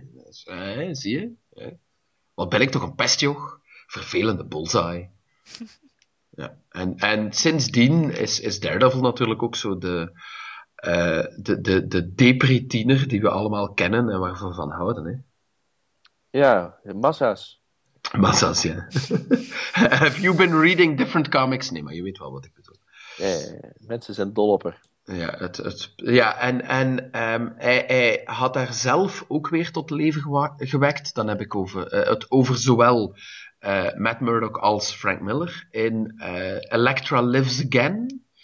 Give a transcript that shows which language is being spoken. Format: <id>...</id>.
<nl>Dus, zie je? Hè? Wat ben ik toch een pestjoch? Vervelende Bullseye. Ja. En sindsdien is Daredevil natuurlijk ook zo de depri-tiener die we allemaal kennen en waar we van houden. Hè? Ja, massa's. Massa's, ja.</nl> <en>Have you been reading different comics?</en> <nl>Nee, maar je weet wel wat ik bedoel. Mensen zijn dol op er. Ja, hij had haar zelf ook weer tot leven gewekt. Dan heb ik over zowel Matt Murdock als Frank Miller in Elektra Lives Again.</nl>